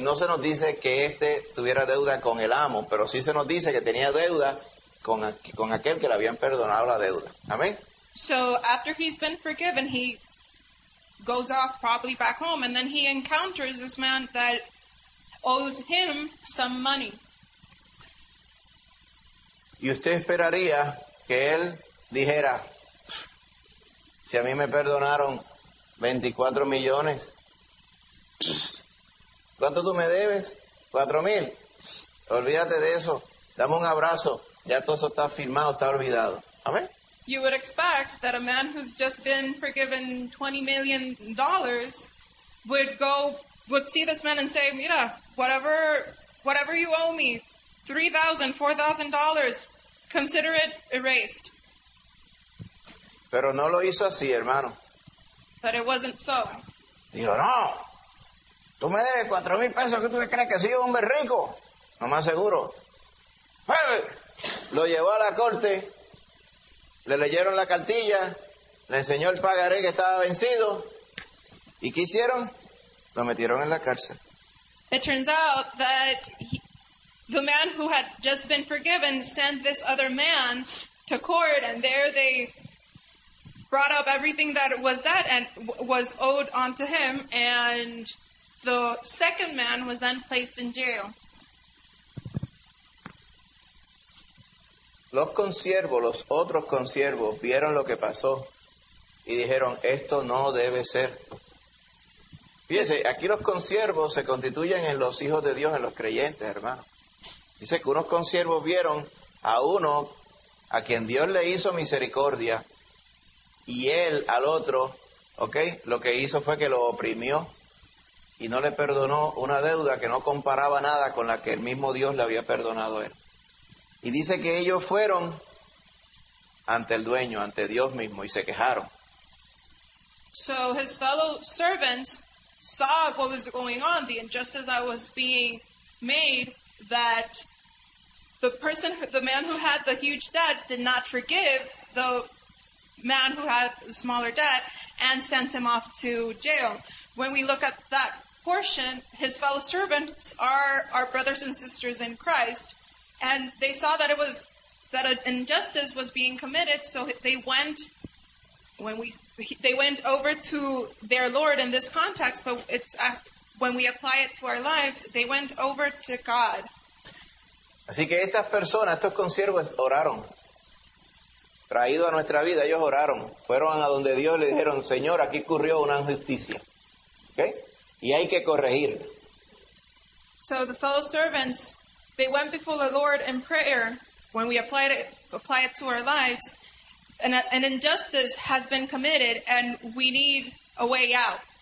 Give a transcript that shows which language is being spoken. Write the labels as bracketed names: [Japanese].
[Spanish] No se nos dice que este tuviera deuda con el amo, pero sí se nos dice que tenía deuda con aquel que le habían perdonado la deuda. Amén. [English] So after he's been forgiven, he goes off probably back home, and then he encounters this man that owes him some money. [Spanish] Y usted esperaría que él dijera, si a mí me perdonaron 24 millones, ¿cuánto tú me debes? 4,000. Olvídate de eso. Dame un abrazo. Ya todo eso está firmado, está olvidado. Amén. [English] You would expect that a man who's just been forgiven $20 million would see this man and say, mira, whatever you owe me, $3,000, $4,000, consider it erased. [Spanish] Pero no lo hizo así, hermano. [English] But it wasn't so. [Spanish] Dijo, no, tú me debes 4,000 pesos, ¿qué tú crees que soy un hombre rico? No más seguro. ¡Hey! Lo llevó a la corte. Le leyeron la cartilla, le enseñó el pagaré que estaba vencido, y ¿qué hicieron? Lo metieron en la cárcel. [English] It turns out that the man who had just been forgiven sent this other man to court, and there they brought up everything that was debt and was owed onto him, and the second man was then placed in jail. [Spanish] Los consiervos, los otros consiervos, vieron lo que pasó y dijeron, esto no debe ser. Fíjense, aquí los consiervos se constituyen en los hijos de Dios, en los creyentes, hermano. Dice que unos consiervos vieron a uno a quien Dios le hizo misericordia y él al otro, ¿ok? Lo que hizo fue que lo oprimió y no le perdonó una deuda que no comparaba nada con la que el mismo Dios le había perdonado a él. Y dice que ellos fueron ante el dueño, ante Dios mismo, y se quejaron. [English] So his fellow servants saw what was going on, the injustice that was being made, that the person, the man who had the huge debt did not forgive the man who had the smaller debt and sent him off to jail. When we look at that portion, his fellow servants are our brothers and sisters in Christ, and they saw that it was that an injustice was being committed, so they went over to their Lord in this context, but it's when we apply it to our lives, they went over to God. [Spanish] Así que estas personas, estos consiervos, oraron. Traído a nuestra vida, ellos oraron. Fueron a donde Dios le dijeron, Señor, aquí ocurrió una injusticia. ¿Okay? Y hay que corregir. [English] So the fellow servants, they went before the Lord in prayer. When we apply it to our lives, an injustice has been committed and we need a way out.